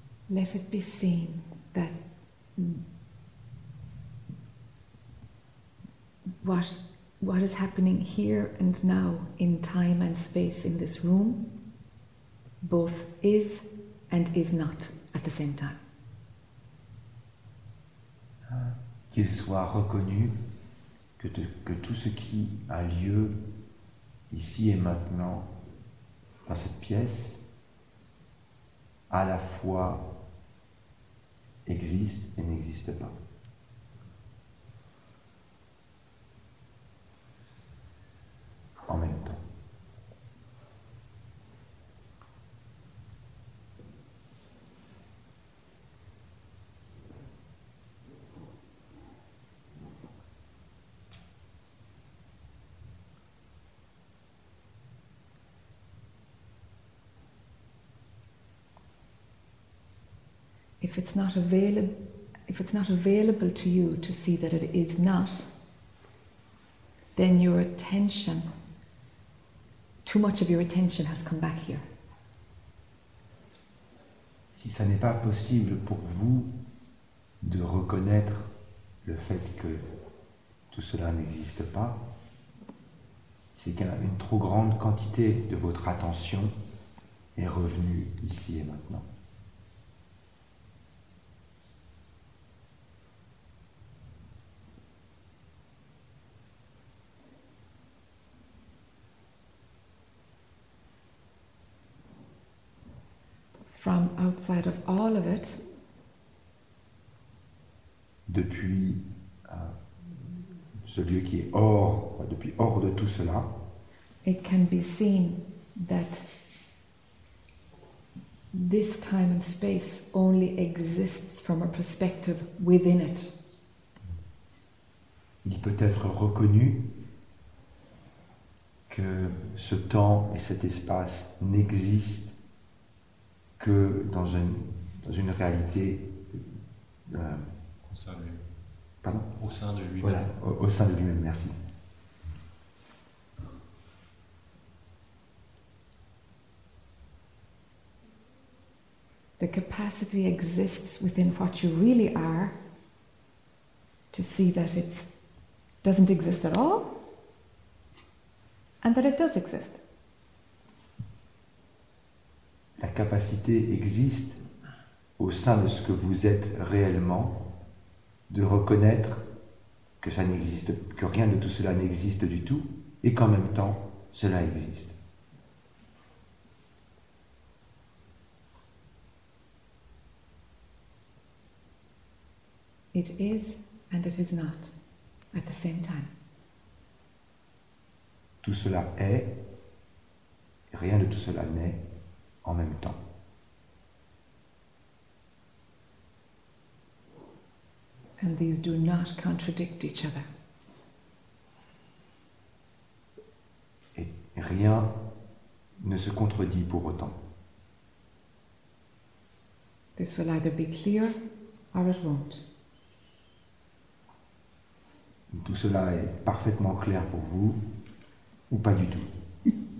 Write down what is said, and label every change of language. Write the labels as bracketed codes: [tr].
[en] Let it be seen that what is happening here and now in time and space in this room both is and is not at the same time. [fr] Qu'il soit reconnu que tout ce qui a lieu ici et maintenant dans cette pièce à la fois existe et n'existe pas. En même temps. [en] If it's not available to you to see that it is not, then your attention, too much of your attention has come back here. [fr] Si ça n'est pas possible pour vous de reconnaître le fait que tout cela n'existe pas, c'est qu'une trop grande quantité de votre attention est revenue ici et maintenant. [en] From outside of all of it, [fr] depuis ce lieu qui est hors de tout cela, [en] it can be seen that this time and space only exists from a perspective within it. [fr] Il peut être reconnu que ce temps et cet espace n'existent que dans une réalité au sein de lui-même, merci. [en] The capacity exists within what you really are to see that it doesn't exist at all and that it does exist. [fr] La capacité existe au sein de ce que vous êtes réellement, de reconnaître que ça n'existe, que rien de tout cela n'existe du tout, et qu'en même temps, cela existe. [en] It is and it is not at the same time. [fr] Tout cela est, rien de tout cela n'est. En même temps. [en] And these do not contradict each other. [fr] Et rien ne se contredit pour autant. [en] This will either be clear or it won't. [fr] Tout cela est parfaitement clair pour vous, ou pas du tout.